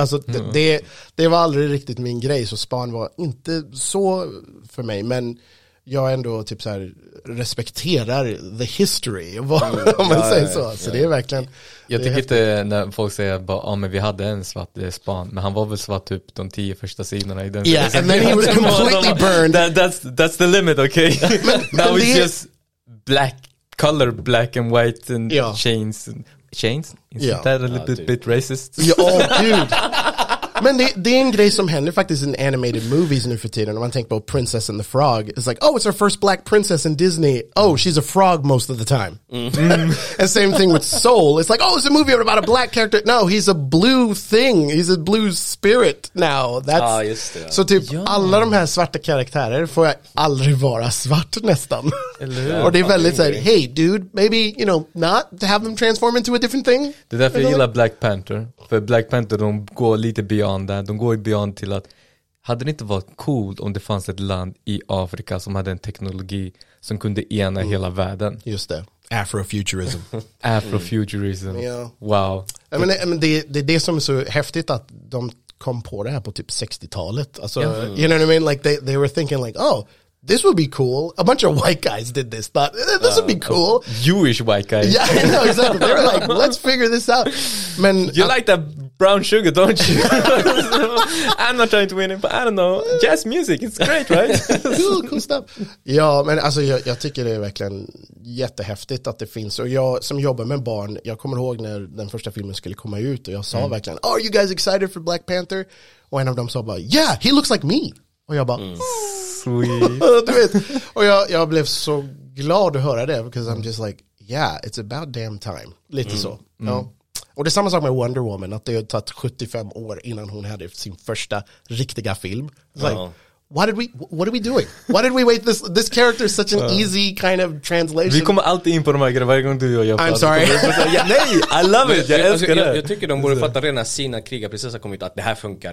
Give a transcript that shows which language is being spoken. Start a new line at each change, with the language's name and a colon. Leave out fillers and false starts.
Swedish: Alltså det var aldrig riktigt min grej. Så Spawn var inte så för mig. Men jag ändå typ så här respekterar
English: the history,
Swedish: om man säger så. Så det är verkligen... Jag tycker inte när folk säger bara, ah, men vi hade en svart span, men han var väl svart typ de 10 första sidorna i den.
English: Yeah, and then he was completely burned. That's the limit, okay? Now it's just black, color black and white and chains? Isn't that a little bit racist? Oh, dude!
Swedish: Men det är en grej som händer faktiskt
English: in animated movies
Swedish: nu för tiden. Om man tänker på Princess and the Frog.
English: It's like, oh, it's our first black princess in Disney. Oh, she's a frog most of the time. And same thing with Soul. It's like, oh, it's a movie about a black character. No, he's a blue thing. He's a blue spirit now.
Swedish: Så typ, alla de här svarta karaktärer får jag aldrig vara svart nästan. Och det är väldigt såhär,
English: hey dude, maybe, you know, not to have them transform into a different thing.
Swedish: Det är därför jag gillar Black Panther. För Black Panther, de går lite
English: beyond that.
Swedish: De går beyond till att, hade det inte varit coolt om det fanns ett land i Afrika som hade en teknologi som kunde ena hela världen? Just det. Afrofuturism.
English: Afrofuturism. Yeah. Wow. I mean,
Swedish: det är det som är så häftigt, att de kom på det här på typ 60-talet. Alltså,
English: you know what I mean? Like they were thinking like, oh, this would be cool. A bunch of white guys did this, thought this would be cool. Jewish white guys. Yeah, I know, exactly. They were like, let's figure this out.
Swedish: Men,
English: you like that brown sugar, don't you? So, I'm not trying to win it, but I don't know. Jazz music, it's great, right? cool stuff.
Swedish: Ja, men alltså jag tycker det är verkligen jättehäftigt att det finns. Och jag som jobbar med barn, jag kommer ihåg när den första filmen skulle komma ut och jag sa verkligen,
English: are you guys excited for Black Panther?
Swedish: Och en av dem sa bara,
English: yeah, he looks like me.
Swedish: Och jag bara,
English: sweet.
Swedish: Du vet. Och jag blev så glad att höra det,
English: because I'm just like, yeah, it's about damn time.
Swedish: Lite så. No? Och det är samma sak med Wonder Woman, att det har tagit 75 år innan hon hade sin första riktiga film.
English: It's like, what are we doing? Why did we wait? This character is such an easy kind of translation.
Swedish: Vi kommer alltid in på de här grejerna. Varje gång du gör,
English: I'm sorry.
Swedish: Nej,
English: I love it.
Swedish: Jag älskar det. Jag tycker de borde fatta redan när sina krigar precis har kommit, att det här funkar.